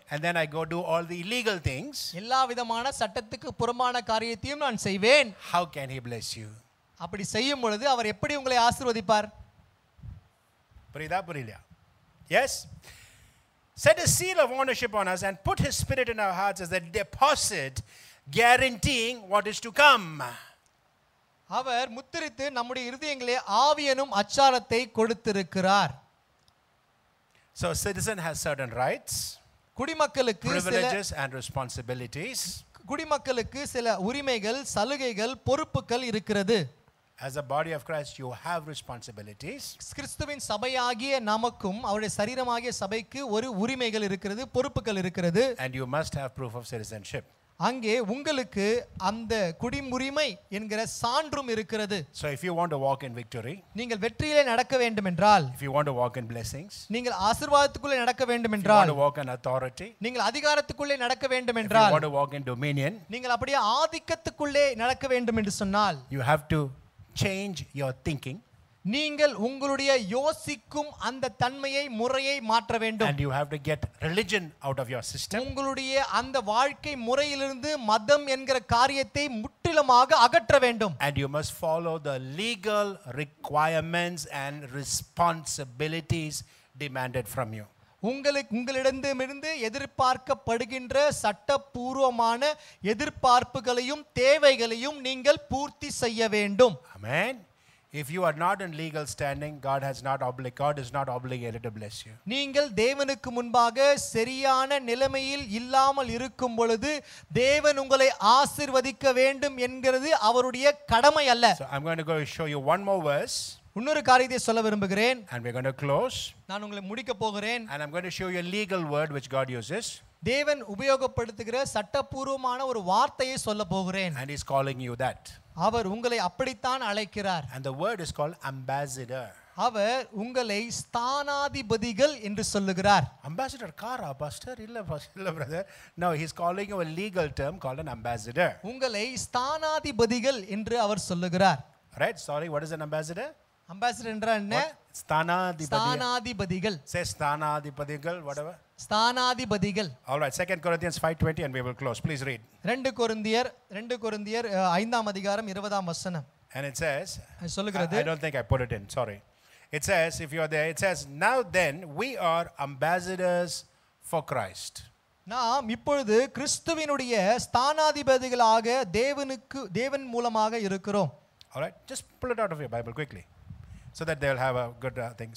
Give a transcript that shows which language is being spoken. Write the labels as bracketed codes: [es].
[en] And then I go do all the illegal things. [ta] எல்லா விதமான சட்டத்துக்கு புறம்பான காரியத்தையும் நான் செய்வேன். [en] How can he bless you? [ta] அப்படி செய்யும் பொழுது அவர் எப்படி உங்களை ஆசீர்வதிப்பார்? புரியுதா புரியலையா? [en] Yes. Set a seal of ownership on us and put his spirit in our hearts as a deposit guaranteeing what is to come. [ta] அவர் முத்திரித்து நம்முடைய இருதயங்களே ஆவியனும் அச்சாரத்தை கொடுத்திருக்கிறார். [en] So a citizen has certain rights, [ta] குடிமக்களுக்கு [en] privileges and responsibilities. [ta] குடிமக்களுக்கு சில உரிமைகள் சலுகைகள் பொறுப்புகள் இருக்கிறது. [en] As a body of Christ, you have responsibilities. [ta] கிறிஸ்துவின் சபையாகிய நமக்கும் அவருடைய சரீரமாகிய சபைக்கு ஒரு உரிமைகள் இருக்கிறது, பொறுப்புகள் இருக்கிறது. [en] And you must have proof of citizenship. [ta] அங்கே உங்களுக்கு அந்த குடிமுரிமை என்கிற சான்றும் இருக்கிறது. [en] So if you want to walk in victory, [ta] நீங்கள் வெற்றியிலே நடக்க வேண்டும் என்றால், [en] if you want to walk in blessings, [ta] நீங்கள் ஆசீர்வாதத்துக்குள்ளே நடக்க வேண்டும் என்றால், [en] if you want to walk in authority, [ta] நீங்கள் அதிகாரத்துக்குள்ளே நடக்க வேண்டும் என்றால், [en] if you want to walk in dominion, [ta] நீங்கள் அப்படியே ஆதிக்கத்துக்குள்ளே நடக்க வேண்டும் என்று சொன்னால், [en] you have to change your thinking. [ta] நீங்கள் உங்களுடைய யோசிக்கும் அந்த தன்மையை முறையை மாற்ற வேண்டும். [en] And you have to get religion out of your system. [ta] உங்களுடைய அந்த வாழ்க்கை முறையிலிருந்து மதம் என்கிற காரியத்தை முற்றிலுமாக அகற்ற வேண்டும். [en] And you must follow the legal requirements and responsibilities demanded from you. [ta] உங்களிடமிருந்து எதிர்பார்க்கப்படுகின்ற சட்டபூர்வமான எதிர்பார்ப்புகளையும் தேவைகளையும் நீங்கள் பூர்த்தி செய்ய வேண்டும். [en] Amen. If you are not in legal standing, God is not obligated to bless you. [ta] நீங்கள் தேவனுக்கு முன்பாக சரியான நிலைமையில் இல்லாமல் இருக்கும் பொழுது தேவன் உங்களை ஆசீர்வதிக்க வேண்டும் என்கிறது அவருடைய கடமை அல்ல. [en] So I'm going to go show you one more verse. [ta] இன்னொரு காரியத்தை சொல்ல விரும்புகிறேன். [en] And we're going to close. [ta] நான் உங்களை முடிக்க போகிறேன். [en] And I'm going to show you a legal word which God uses. [ta] தேவன் உபயோகப்படுத்துகிற சட்டபூர்வமான ஒரு வார்த்தையை சொல்ல போகிறேன். [en] And he's calling you that. [ta] அவர் உங்களை அப்படித்தான் அழைக்கிறார். [en] And the word is called ambassador. [ta] அவர் உங்களை ஸ்தானாதிபதிகள் என்று சொல்லுகிறார். [en] ambassador காரா pastor [ta] இல்ல இல்ல [en] Brother. No he is calling அவர் legal term called an ambassador. [ta] உங்களை ஸ்தானாதிபதிகள் என்று அவர் சொல்லுகிறார். [en] Right, sorry, what is an ambassador? [ta] Ambassador என்றால் என்ன? ஸ்தானாதிபதிகள். சே ஸ்தானாதிபதிகள், [en] Whatever. [ta] ஸ்தானாதிபதிகள். [en] All right, 2 Corinthians 5:20 and we will close. Please read. [ta] 2 கொரிந்தியர் 5th அதிகாரம் 20th வசனம். [en] And it says, I don't think I put it in, sorry. It says, if you are there, it says, now then, we are ambassadors for Christ. நாம் இப்பொழுது கிறிஸ்துவினுடைய ஸ்தானாதிபதிகளாக தேவனுக்கு தேவன் மூலமாக இருக்கிறோம். All right, just pull it out of your Bible quickly, so that they'll have a good thing.